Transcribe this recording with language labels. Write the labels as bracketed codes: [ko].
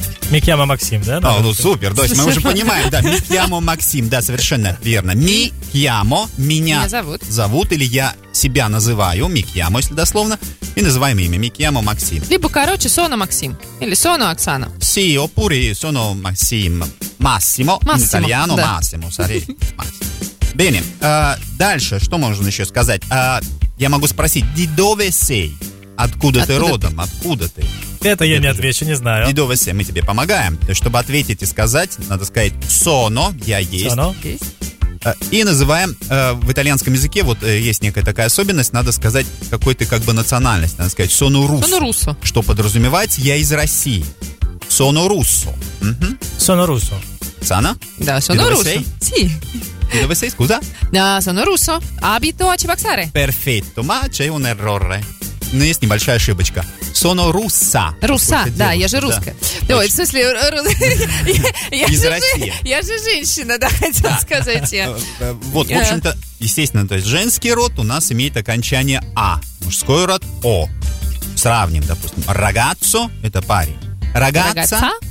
[it] Mi chiamo Максим, да? [ru] О, ну супер, то есть мы уже понимаем, да, [it] mi chiamo [ru] Максим, да, совершенно верно. [it] Mi chiamo, [ru] меня зовут, или я себя называю, [it] mi chiamo, [ru] если дословно, и называем имя, mi chiamo Максим. Либо, короче, [it] sono Максим, [ru] или [it] sono Оксана. Sì, oppure sono Максим, Massimo, in italiano, да. [en] Massimo, sorry, Massimo. [ru] Bene, дальше, что можно еще сказать? Я могу спросить, [it] di dove sei? [ru] Откуда ты родом? Откуда ты? Это я не отвечу, не знаю. [it] Di dove sei, [ru] мы тебе помогаем. Чтобы ответить и сказать, надо сказать sono, я есть. [it] Sono. [ru] И называем в итальянском языке, вот есть некая такая особенность, надо сказать, какой ты как бы национальность. Надо сказать [it] sono russo. Sono russo. [ru] Что подразумевается, я из России. [it] Sono russo. Sono russo. Sana? [ru] Да, [it] sono russo. Sì. Di dove sei, scusa? No, sono russo. Abito a Cibaxare. Perfetto, ma c'è un errore. [ru] Но есть небольшая ошибочка. [it] Sono russa. [ru] Russa, да, я же русская. Да. Ой, в смысле, из России. Я же женщина, да, хотел сказать. Вот, в общем-то, естественно, то есть женский род у нас имеет окончание «а», мужской род «о». Сравним, допустим, «ragazzo» — это парень. «Ragazza»